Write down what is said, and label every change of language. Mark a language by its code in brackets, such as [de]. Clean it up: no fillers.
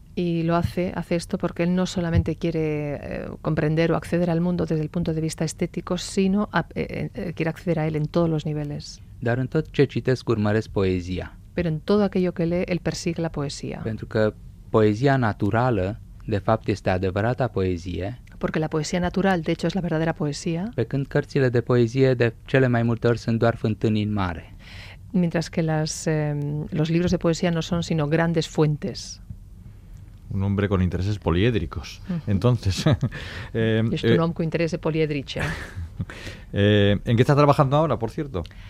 [es] Y lo hace esto porque él no solamente quiere comprender o acceder al mundo desde el punto de vista estético, sino quiere acceder a él en todos los niveles. [ro] Dar în tot ce citesc urmăresc poezia. [es] Pero en todo aquello que lee, él persigue la poesía. [ro] Pentru că poezia naturală, de fapt, este adevărata poezie. [es] Porque la poesía natural, de hecho, es la verdadera poesía. [ro] Pe când cărțile de poezie, de cele mai multe ori, sunt doar fântâni în mare. [es] Mientras que los libros de poesía no son sino grandes fuentes. Un hombre con intereses poliédricos. Uh-huh. Entonces. Es un hombre con intereses poliédricos. ¿En qué está trabajando ahora, por cierto?